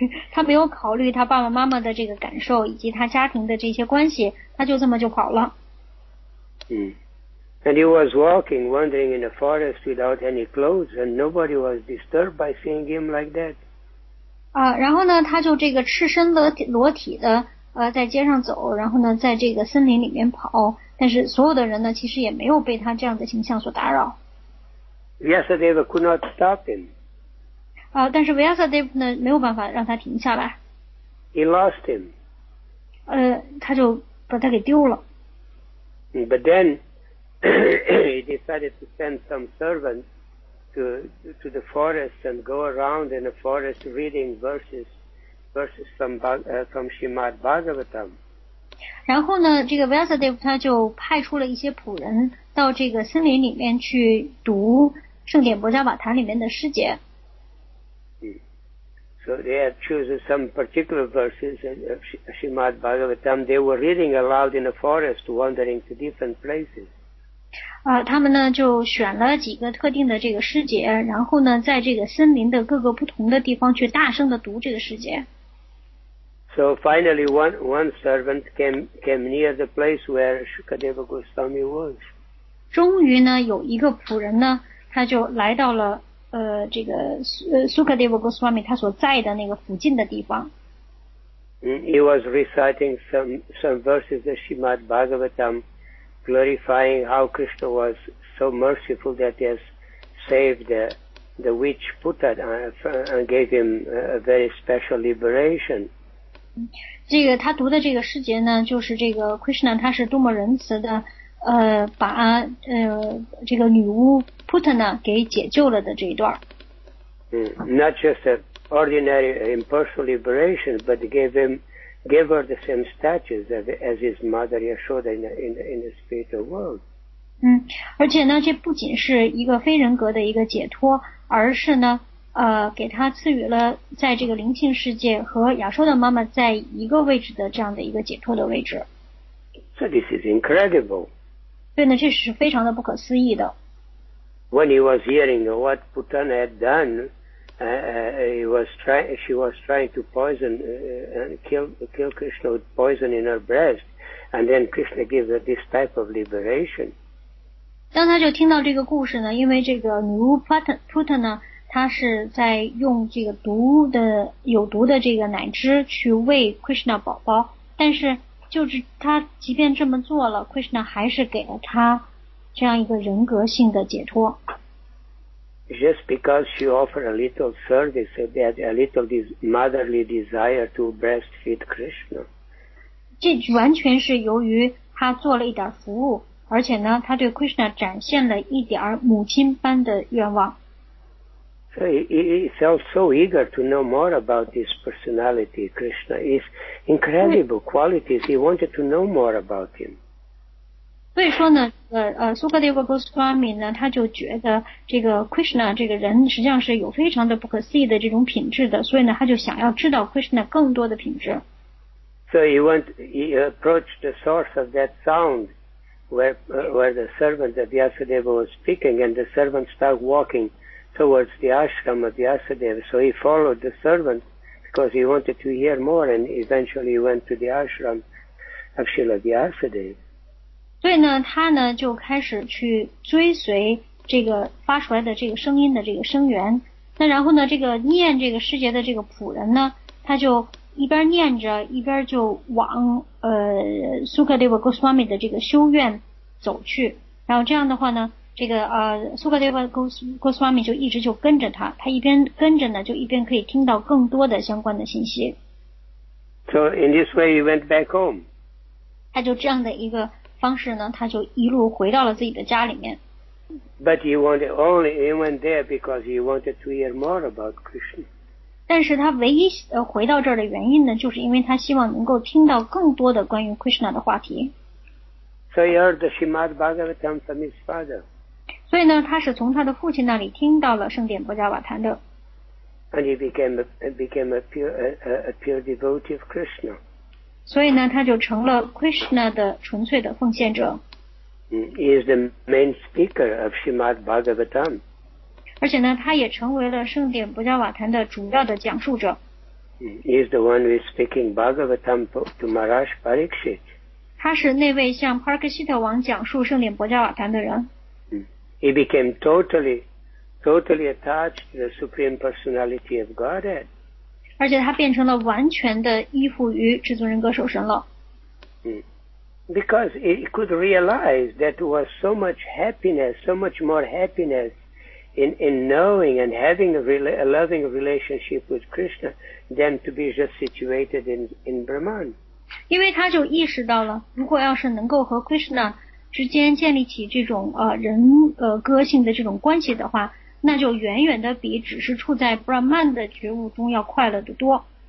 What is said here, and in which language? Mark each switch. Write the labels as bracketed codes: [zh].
[zh] 他没有考虑他爸爸妈妈的这个感受以及他家庭的这些关系，他就这么就跑了。 [en] And he was walking, wandering in the forest without any clothes, and nobody was disturbed by seeing him like that. [zh] 然后呢，他就这个赤身裸体的在街上走，然后呢，在这个森林里面跑，但是所有的人呢，其实也没有被他这样的形象所打扰。 [en] Vyasadeva could not stop him. [zh] 但是 Vyasadeva 呢，没有办法让他停下来。 [en] He lost him. [zh] 他就把他给丢了。 [en] But then he decided to send some servant to the forest and go around in the forest reading verses from Srimad Bhagavatam. [zh] 然后呢，这个 Vyasadeva 他就派出了一些仆人到这个森林里面去读圣典博迦瓦坛里面的诗节。 [en] So they had chosen some particular verses of Srimad Bhagavatam. They were reading aloud in the forest, wandering to different places. [zh] 他们呢就选了几个特定的这个诗节，然后呢在这个森林的各个不同的地方去大声的读这个诗节。 [en] So finally, one servant came near the place where Shukadeva Goswami was. [zh] 终于呢，有一个仆人呢，他就来到了这个Shukadeva Goswami 他所在的那个附近的地方。 [en] He was reciting some verses of Srimad Bhagavatam, glorifying how Krishna was so merciful that he has saved the witch Putat and gave him a very special liberation. [zh] 这个他读的这个诗节呢，就是这个 Krishna 他是多么仁慈的，把这个女巫 Putana 给解救了的这一段。 [en] Not just an ordinary impersonal liberation, but gave her the same status as his mother Yashoda in the spiritual world. [zh] 而且呢，这不仅是一个非人格的一个解脱，而是呢。给他赐予了在这个灵性世界和亚瑟的妈妈在一个位置的这样的一个解脱的位置。 [en] So this is incredible. [zh] 对呢，这是非常的不可思议的。 [en] When he was hearing what Putana had done, she was trying to poison and kill Krishna with poison in her breast, and then Krishna gives her this type of liberation. [zh] 当他就听到这个故事呢，因为这个女巫 Putana他是在用这个有毒的这个奶汁去喂 Krishna 宝宝，但是就是他即便这么做了， Krishna 还是给了他这样一个人格性的解脱。 [en] Just because she offered a little service, that a little motherly desire to breastfeed Krishna. [zh] 这完全是由于他做了一点服务，而且呢，他对 Krishna 展现了一点母亲般的愿望。 [en] So he felt so eager to know more about this personality, Krishna. His incredible qualities, he wanted to know more about him. [zh] 所以说呢，Shukadeva Goswami 呢，他就觉得这个 Krishna 这个人实际上是有非常的不可思议的这种品质的，所以呢，他就想要知道 Krishna 更多的品质。 [en] So he approached the source of that sound where the servant of Vyasadeva was speaking, and the servant started walking towards the ashram of Vyasadeva. So he followed the servant because he wanted to hear more, and eventually he went to the ashram of Srila Vyasadeva. [zh] 所以呢，他呢就开始去追随这个发出来的这个声音的这个声源。那然后呢，这个念这个诗节的这个仆人呢，他就一边念着，一边就往 Sukadeva Goswami 的这个修院走去，然后这样的话呢，这个Sukadeva Goswami 就一直就跟着他，他一边跟着呢，就一边可以听到更多的相关的信息。 [en] So in this way, he went back home. [zh] 他就这样的一个方式呢，他就一路回到了自己的家里面。 [en] But he wanted only he went there because he wanted to hear more about Krishna. [zh] 但是他唯一回到这儿的原因呢，就是因为他希望能够听到更多的关于 Krishna 的话题。 [en] So he heard the Srimad Bhagavatam from his father. [zh] 所以呢，他是从他的父亲那里听到了圣典波迦瓦坛的。 [en] And he became a pure devotee of Krishna. [zh] 所以呢，他就成了 Krishna 的纯粹的奉献者。 [en] He is the main speaker of Srimad Bhagavatam. [zh] 而且呢，他也成为了圣典波迦瓦坛的主要的讲述者。 [en] He is the one who is speaking Bhagavatam to Maharaj Parikshit. [zh] 他是那位向 Parikshit 王讲述圣典波迦瓦坛的人。 [en] He became totally attached to the Supreme Personality of Godhead. [zh] 而且他变成了完全的依附于至尊人格守神了。 [en] Because he could realize that there was so much happiness, so much more happiness in knowing and having a loving relationship with Krishna than to be just situated in Brahman. [zh] 因为他就意识到了，如果要是能够和 Krishna 之间建立起这种人个性的这种关系的话，那就远远的比只是处在 Brahman 的觉悟中要快乐得多。